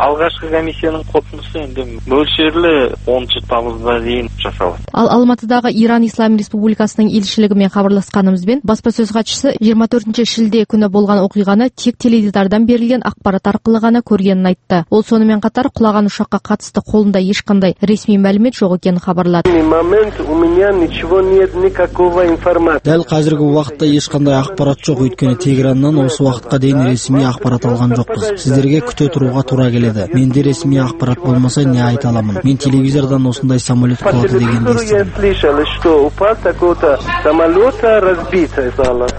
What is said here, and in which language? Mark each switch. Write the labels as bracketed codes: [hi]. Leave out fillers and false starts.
[kk] Алғашқы комиссияның қорытындысы енді мөлшерлі 10 тамызға дейін жасалады. Ал Алматыдағы Иран Ислам Республикасының елшілігімен хабарласқанымызбен баспасөз хатшысы 24 шілде күні болған оқиғаны тек теледидардан берілген ақпарат арқылы ғана көргенін айтты. Ол сонымен қатар құлаған ұшаққа қатысты қолында ешқандай ресми мәлімет жоқ екенін хабарлады. [ru] Момент у меня ничего нет никакого информации. [kk] Дәл қазіргі уақытта ешқандай ақпарат жоқ, өйткені Тегераннан осы уақытқа дейін ресми ақпарат алған жоқпыз. Сіздерге күте тұруға тура келеді. Менде ресми ақпарат болмаса не айта аламын? Мен телевизордан осындай самолет құлады дегенді естідім.